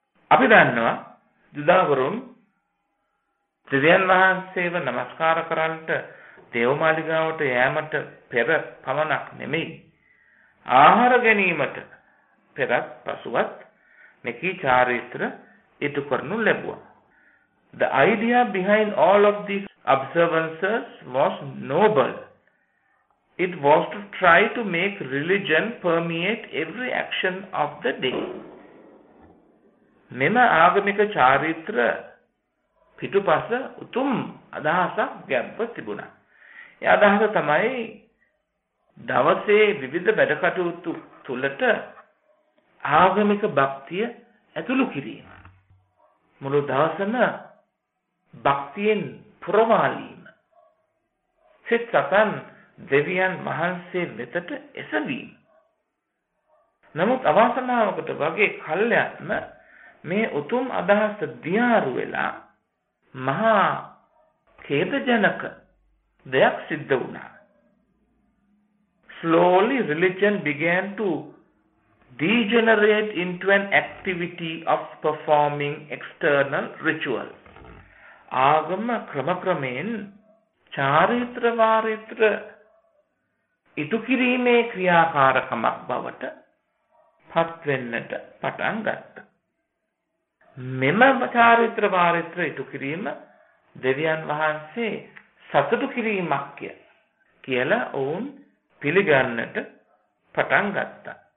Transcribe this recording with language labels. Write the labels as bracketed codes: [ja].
[si] අපි දන්නවා ජුදාවරුන් දෙවියන් වහන්සේව නමස්කාර කරන්නට දේව මාලිගාවට යෑමට පෙර පමණක් නෙමෙයි ආහාර ගැනීමට පෙරත් පසුවත් මෙකී චාරිත්‍ර ඉටු කරනු ලැබුවා. [en] The idea behind all of these observances was noble. It was to try to make religion permeate every action of the day. [si] මෙම ආගමික චාරිත්‍ර පිටුපස උතුම් අදහසක් ගැඹ තිබුණා. ඒ අදහස තමයි දවසේ විවිධ වැඩකටයුතු තුළට ආගමික භක්තිය ඇතුළු කිරීම. මුළු දවසම භක්තියෙන් පුරවාලීම. සිත සතන් දෙවියන් වහන්සේ වෙතට එසවීම. නමුත් අවාසනාවකට වගේ කල්යත්ම මේ උතුම් අදහස දියාරු වෙලා මහා ඛේදජනක දෙයක් සිද්ධ වුණා. [en] Slowly religion began to degenerate into an activity of performing external rituals. [si] ආගම ක්‍රමක්‍රමයෙන් චාරිත්‍ර වාරිත්‍ර ඉටු කිරීමේ ක්‍රියාකාරකමක් බවට පත්වෙන්නට පටන් ගත්තා. මෙම චාරිත්‍ර වාරිත්‍ර ඉටු කිරීම දෙවියන් වහන්සේ සතුටු කිරීමක්ය කියලා ඔවුන් පිළිගන්නට පටන් ගත්තා.